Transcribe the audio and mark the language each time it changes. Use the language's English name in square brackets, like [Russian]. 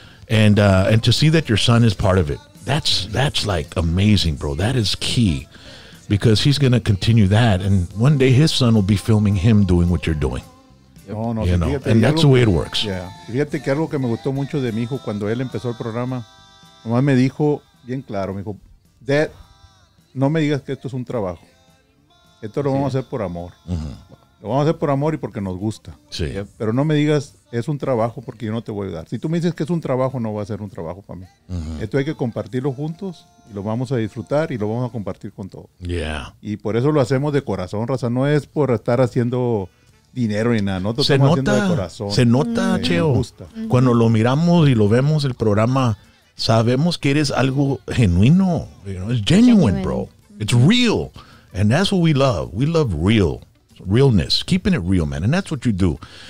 [English] And to see that your son is part of it, that's like amazing, bro. That is key. Because he's going to continue that, and one day his son will be filming him doing what you're doing. And that's the way it works. Yeah. [Spanish] Fíjate que algo que me gustó mucho de mi hijo cuando él empezó el programa, mamá me dijo bien claro, me dijo, Dad, no me digas que esto es un trabajo. Esto lo vamos a hacer por amor. Uh-huh. Lo vamos a hacer por amor y porque nos gusta. Sí. Pero no me digas, es un trabajo porque yo no te voy a ayudar. Si tú me dices que es un trabajo, no va a ser un trabajo para mí. Uh-huh. Esto hay que compartirlo juntos. Y lo vamos a disfrutar y lo vamos a compartir con todos. [English] Yeah. [Spanish] Y por eso lo hacemos de corazón, raza. No es por estar haciendo dinero ni nada. Nosotros se estamos nota, haciendo de corazón. Se nota, Cheo. Gusta. Cuando lo miramos y lo vemos el programa, sabemos que eres algo genuino. [English] You know, it's genuine, bro. It's real. And that's what we love. We love real. realness, keeping it real, man. And that's what you do.